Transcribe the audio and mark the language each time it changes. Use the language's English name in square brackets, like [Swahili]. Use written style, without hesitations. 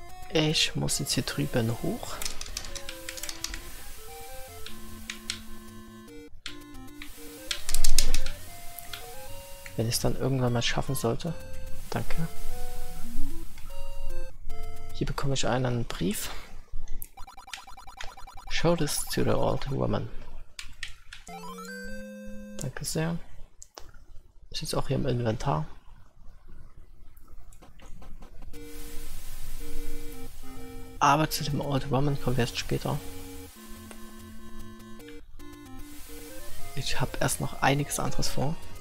[German] Ich muss jetzt hier drüben hoch. Wenn ich es dann irgendwann mal schaffen sollte. Danke. Hier bekomme ich einen Brief. [English] Show this to the old woman. [German] Danke sehr. Ist jetzt auch hier im Inventar. Aber zu dem Old Woman kommen wir erst später. Ich habe erst noch einiges anderes vor.